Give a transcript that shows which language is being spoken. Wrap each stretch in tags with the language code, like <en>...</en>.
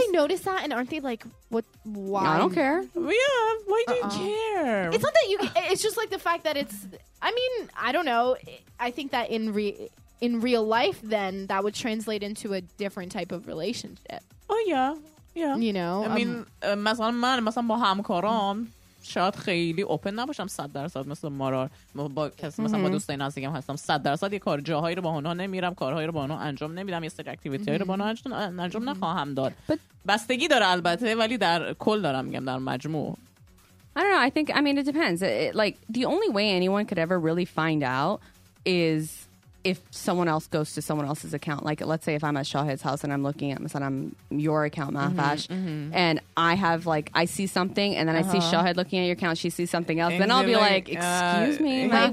<en>But don't they notice that? And aren't they, like, what? Why? I don't care. Yeah, why do you care? It's not that you... It's just, like, the fact that it's... I mean, I don't know. I think that in real life, then, that would translate into a different type of relationship. Oh, yeah. You know?</en> <fa>I mean, مثلا من مثلا با همکارام شاید خیلی اوپن نباشم 100% مثل مارار با کسی مثلا با دوستای نزدیکم هستم 100% یه کار جاهایی رو با اونها نمیرم کارهایی رو با اونها انجام نمیدم یه سری اکتیویتی هایی رو با اونها انجام نخواهم داد بستگی داره البته ولی در کل دارم میگم در مجموع</fa> <en>I don't know, I think, I mean, it depends. Like, the only way anyone could ever really find out is if someone else goes to someone else's account. Like, let's say if I'm at Shahid's house and I'm looking at your account, Mahfash, and I have, like, I see something and then I see Shahid looking at your account, she sees something else, then I'll be like, excuse me, Mahfash.</en>